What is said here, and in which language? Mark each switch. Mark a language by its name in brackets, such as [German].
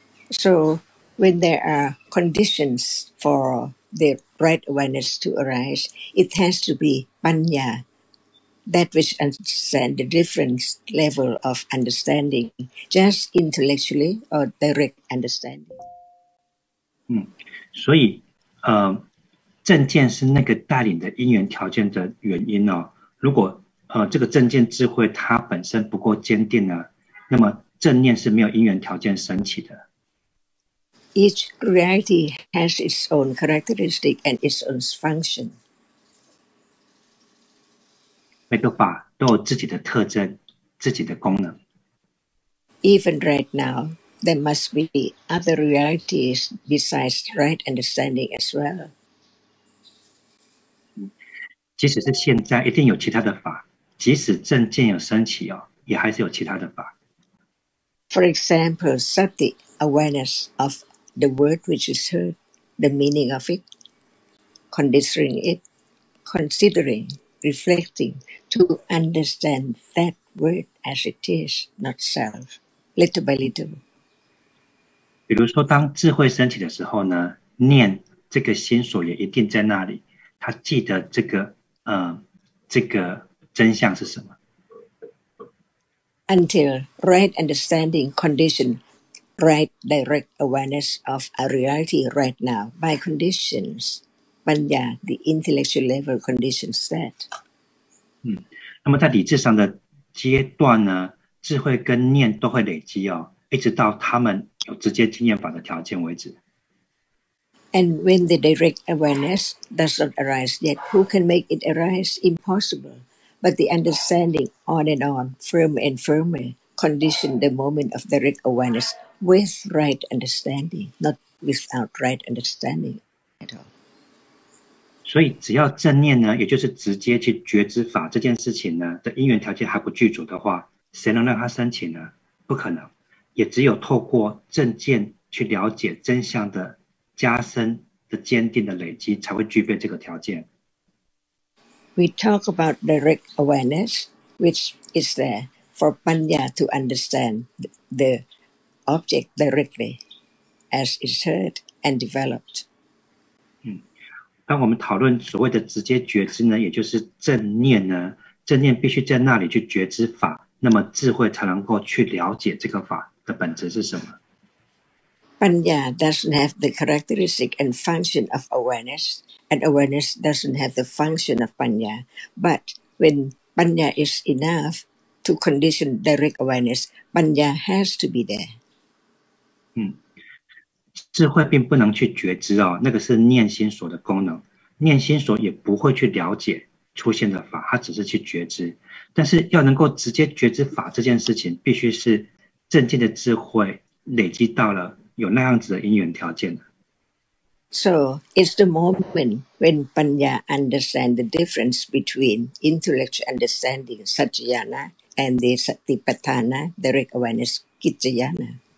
[English] So, when there are conditions for the right awareness to arise, it has to be panya, that which understands the different level of understanding, just intellectually or direct understanding. [Chinese] 所以，正见是那个带领的因缘条件的原因哦。如果这个正见智慧它本身不够坚定呢，那么正念是没有因缘条件升起的。 [English] each reality has its own characteristic and its own function. [Chinese] 每个法都有自己的特征，自己的功能。 [English] Even right now, there must be other realities besides right understanding as well. [Chinese] 即使是现在，一定有其他的法。即使正见有升起哦，也还是有其他的法。 [English] For example, sati awareness of the word which is heard, the meaning of it, considering it, considering, reflecting to understand that word as it is, not self, little by little. [Chinese] 比如说，当智慧升起的时候呢，念这个心所也一定在那里，他记得这个这个。真相是什么？ [English] Until right understanding condition, right direct awareness of a reality right now by conditions, panya, the intellectual level conditions that. [Chinese] 那么在理智上的阶段呢，智慧跟念都会累积哦，一直到他们有直接经验法的条件为止。 [English] And when the direct awareness does not arise yet, who can make it arise? Impossible. But the understanding on and on, firm and firmer, condition the moment of direct awareness with right understanding, not without right understanding at all. [Chinese] 所以只要正念呢，也就是直接去觉知法这件事情呢的因缘条件还不具足的话，谁能让它升起呢？不可能。也只有透过正见去了解真相的加深的坚定的累积，才会具备这个条件。 [English] We talk about direct awareness, which is there for panya to understand the object directly as it's heard and developed. [Chinese] 当我们讨论所谓的直接觉知呢，也就是正念呢，正念必须在那里去觉知法，那么智慧才能够去了解这个法的本质是什么。 [English] Panya doesn't have the characteristic and function of awareness, and awareness doesn't have the function of panya. But when panya is enough to condition direct awareness, panya has to be there. [Chinese] 智慧并不能去觉知哦，那个是念心所的功能。念心所也不会去了解出现的法，它只是去觉知。但是要能够直接觉知法这件事情，必须是正见的智慧累积到了。有那样子的因缘条件的。 [English] So it's the moment when panya understand the difference between intellectual understanding satyana and the satipatthana direct awareness kicayana。